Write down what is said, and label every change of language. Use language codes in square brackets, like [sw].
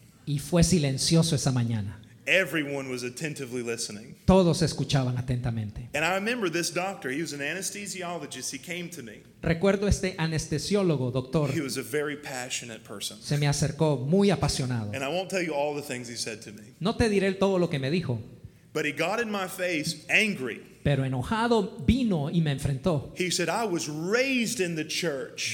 [es] Y fue silencioso esa mañana. [en] Everyone was attentively listening. [es] Todos escuchaban atentamente. [en] And I remember this doctor, he was an anesthesiologist, he came to me. [es] Recuerdo este anestesiólogo, doctor. [en] He was a very passionate person. [es] Se me acercó muy apasionado. [en] And I won't tell you all the things he said to me. [es] No te diré todo lo que me dijo. [en] But he got in my face angry. [es] Pero enojado vino y me enfrentó. [en] He said, I was raised in the church.